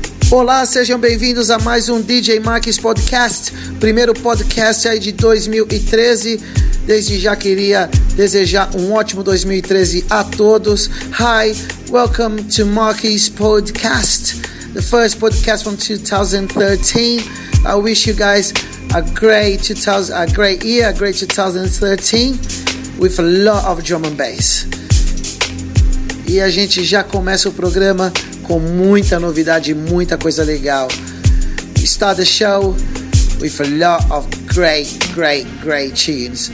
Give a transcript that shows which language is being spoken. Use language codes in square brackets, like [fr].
[pt] Olá, sejam bem-vindos a mais um DJ Max Podcast, primeiro podcast aí de 2013. Desde já queria desejar um ótimo 2013 a todos. [en] Hi, welcome to Max's Podcast, the first podcast from 2013. I wish you guys a great 2013, with a lot of drum and bass. [pt] E a gente já começa o programa com muita novidade, muita coisa legal. [en] Start the show with a lot of great tunes.